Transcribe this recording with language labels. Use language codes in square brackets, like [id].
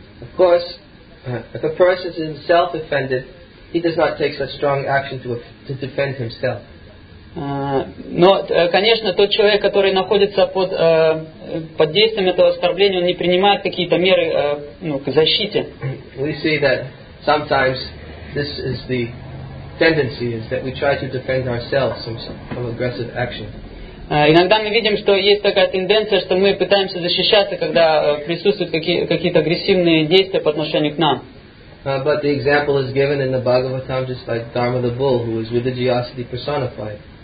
[en] Of course, if a person is self-offended, he does not take such strong action to defend himself. [ru] Но, конечно, тот человек, который находится под, под действием этого оскорбления, он не принимает какие-то меры ну, к защите. [en] We see that sometimes this is the tendency, is that we try to defend ourselves from aggressive action. [ru] Иногда мы видим, что есть такая тенденция, что мы пытаемся защищаться, когда присутствуют какие-то агрессивные действия по отношению к нам. [en] But the example is given in the Bhagavatam just like Dharma the Bull, who is religiosity personified.